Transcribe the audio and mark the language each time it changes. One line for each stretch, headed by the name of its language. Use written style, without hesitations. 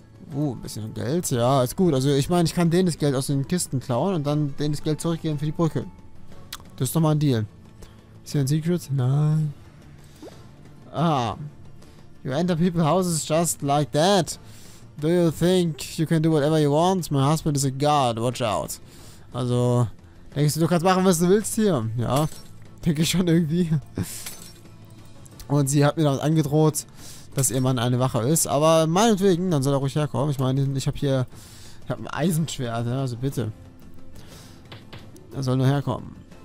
German: Ein bisschen Geld, ja, ist gut. Also ich meine, ich kann denen das Geld aus den Kisten klauen und dann denen das Geld zurückgeben für die Brücke. Das ist doch mal ein Deal. Ist hier ein Secret? Nein. Ah.
English: You enter people's houses just like that. Do you think you can do whatever you want? My husband is a god. Watch out.
German: Also, denkst du, du kannst machen, was du willst hier? Ja, denke ich schon irgendwie. Und sie hat mir damit angedroht, dass ihr Mann eine Wache ist. Aber meinetwegen, dann soll er ruhig herkommen. Ich meine, ich habe ein Eisenschwert. Also bitte. Er soll nur herkommen.